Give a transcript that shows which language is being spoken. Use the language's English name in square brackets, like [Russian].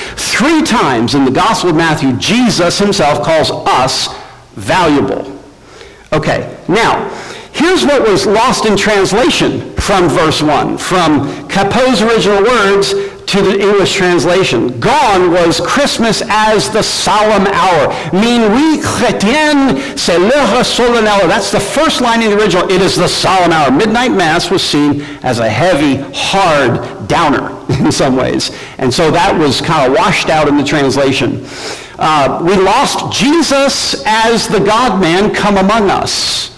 [English] Three times in the Gospel of Matthew, Jesus himself calls us valuable. Okay, now, here's what was lost in translation from verse 1, from Capoe's original words to the English translation. Gone was Christmas as the solemn hour. [French] Minuit chrétien, c'est l'heure solennelle. [English] That's the first line in the original. It is the solemn hour. Midnight Mass was seen as a heavy, hard downer in some ways. And so that was kind of washed out in the translation. We lost Jesus as the God-man come among us.